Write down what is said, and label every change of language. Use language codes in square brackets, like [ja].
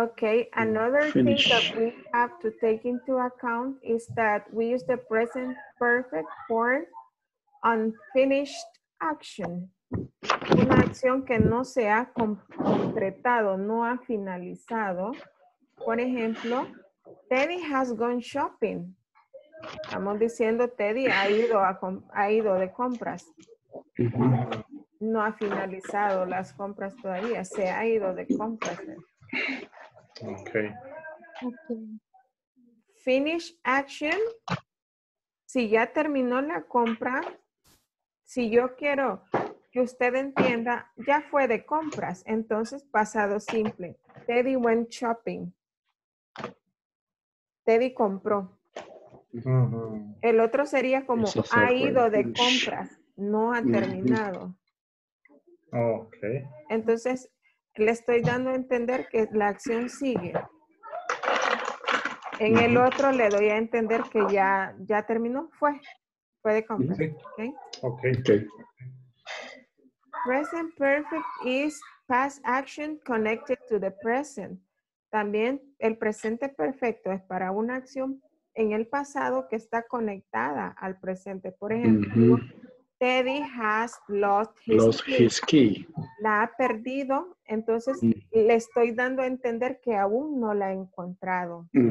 [en] Okay, another thing that we have to take into account is that we use the present perfect for unfinished action. [es] Una acción que no se ha concretado, no ha finalizado. Por ejemplo, [en] Teddy has gone shopping. [es] Estamos diciendo Teddy ha ido de compras. No ha finalizado las compras todavía. Se ha ido de compras. [en] Okay. Finish action. [es] Si ya terminó la compra, si yo quiero que usted entienda, ya fue de compras. Entonces, pasado simple. [en] Teddy went shopping. [es] Teddy compró. El otro sería como ha ido de compras, no ha terminado. [en] Okay. [es] Entonces, le estoy dando a entender que la acción sigue. En el otro le doy a entender que ya terminó, fue de compras. [en] Okay. Okay. Okay. Present perfect is past action connected to the present. [es] También el presente perfecto es para una acción en el pasado que está conectada al presente. Por ejemplo, [en] Teddy has lost his key. [es] La ha perdido, entonces le estoy dando a entender que aún no la ha encontrado.